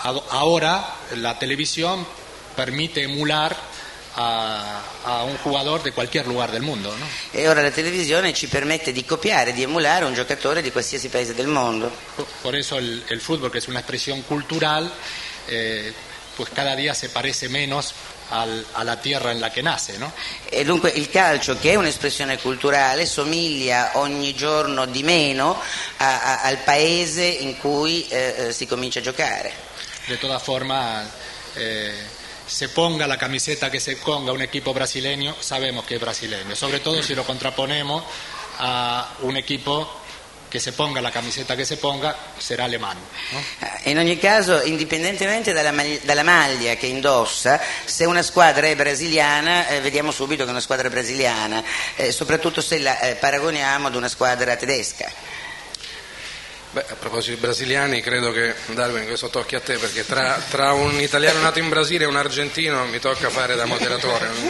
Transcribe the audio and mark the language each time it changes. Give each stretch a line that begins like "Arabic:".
Italian: Ora la televisione permette
Spanish: emular
Italian: a un giocatore di qualche
Spanish: lugar
Italian: del mondo, no? E ora la televisione ci permette di copiare, di emulare un giocatore di qualsiasi paese del mondo.
Spanish: Por eso el fútbol, que es una expresión cultural, pues cada día se parece menos
Italian: alla terra in la che nasce,
Spanish: no?
Italian: E dunque il calcio, che è un'espressione culturale, somiglia ogni giorno di meno al paese in cui si comincia a giocare.
Spanish: De toda forma se ponga la camiseta que se ponga un equipo brasileño, sabemos que es brasileño, sobre todo si lo contraponemos a un equipo
Italian: che se ponga la camiseta che se ponga, sarà
Spanish: alemano.
Italian: In ogni caso, indipendentemente dalla maglia che indossa, se una squadra è brasiliana, vediamo subito che è una squadra brasiliana, soprattutto se la paragoniamo ad una squadra tedesca. Beh, a proposito di brasiliani, credo che Darwin, questo tocchi a te, perché tra un italiano nato in Brasile e un argentino mi tocca fare da moderatore.